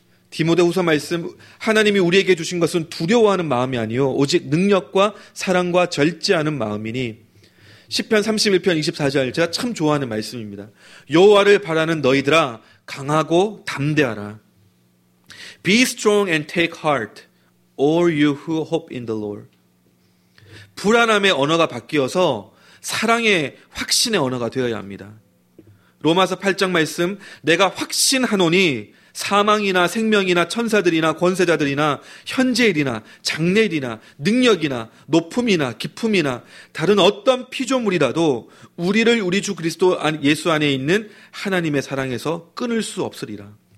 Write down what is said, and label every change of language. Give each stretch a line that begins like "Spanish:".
Korean: 디모데후서 말씀 하나님이 우리에게 주신 것은 두려워하는 마음이 아니요 오직 능력과 사랑과 절제하는 마음이니. 시편 31편 24절 제가 참 좋아하는 말씀입니다. 여호와를 바라는 너희들아 강하고 담대하라.
English: Be strong and take heart all you who hope in the Lord.
Korean: 불안함의 언어가 바뀌어서 사랑의 확신의 언어가 되어야 합니다. 로마서 8장 말씀 내가 확신하노니 사망이나 생명이나 천사들이나 권세자들이나 현재일이나 장래일이나 능력이나 높음이나 깊음이나 다른 어떤 피조물이라도 우리를 우리 주 그리스도 예수 안에 있는 하나님의 사랑에서 끊을 수 없으리라.